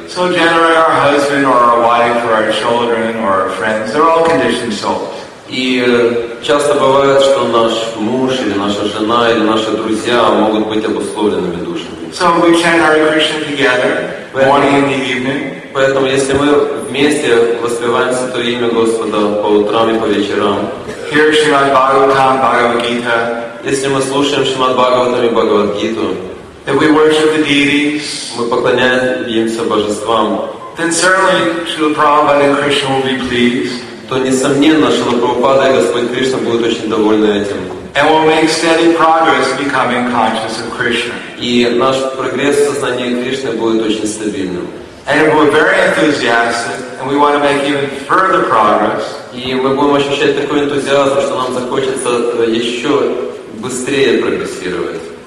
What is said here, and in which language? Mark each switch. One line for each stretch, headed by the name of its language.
English: So generally our husband or our wife or our children or our friends, they're all conditioned souls.
Russian: И часто бывает, что наш муж или наша жена или наши друзья могут быть обусловленными душами.
English: So we chant Hare Krishna together, morning and evening.
Russian: Поэтому, если мы вместе воспеваем Святое Имя Господа по утрам и по вечерам,
English: hear Shrimad Bhagavatam, Bhagavad Gita.
Russian: Если мы слушаем Shrimad Bhagavatam и Bhagavad Gita,
English: then we worship the deities.
Russian: Мы поклоняемся божествам.
English: Then certainly Shrila Prabhupada and Krishna will be pleased.
Russian: То несомненно, Шрила Прабхупада и Господь Кришна будут очень довольны этим.
English: And we'll make steady progress becoming conscious of Krishna.
Russian: И наш прогресс в сознании Кришны будет очень стабильным.
English: And we're very enthusiastic, and we want to make even further progress.
Russian: И мы будем ощущать такой энтузиазм, что нам захочется еще быстрее прогрессировать.